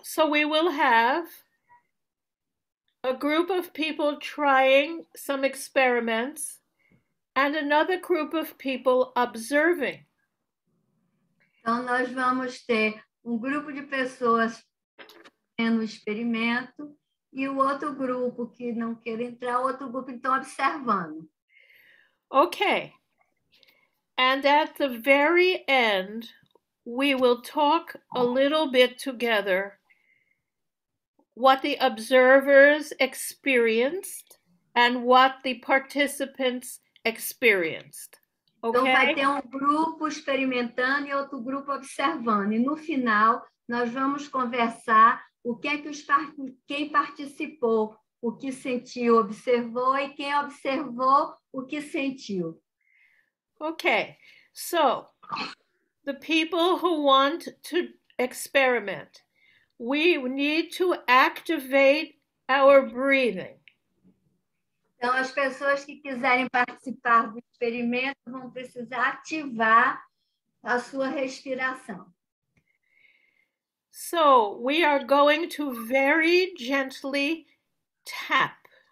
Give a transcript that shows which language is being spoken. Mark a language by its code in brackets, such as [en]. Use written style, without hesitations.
[en] So we will have a group of people trying some experiments and another group of people observing. [pt] Então nós vamos ter grupo de pessoas fazendo experimento e o outro grupo que não quer entrar, outro grupo então observando. [en] Okay. And at the very end, we will talk a little bit together what the observers experienced and what the participants experienced. Okay? [pt] Então vai ter grupo experimentando e outro grupo observando. E no final, nós vamos conversar o que é que quem participou, o que sentiu, observou, e quem observou, o que sentiu. [en] Okay. So, the people who want to experiment, we need to activate our breathing. [pt] Então, as pessoas que quiserem participar do experimento vão precisar ativar a sua respiração. [en] So, we are going to very gently tap.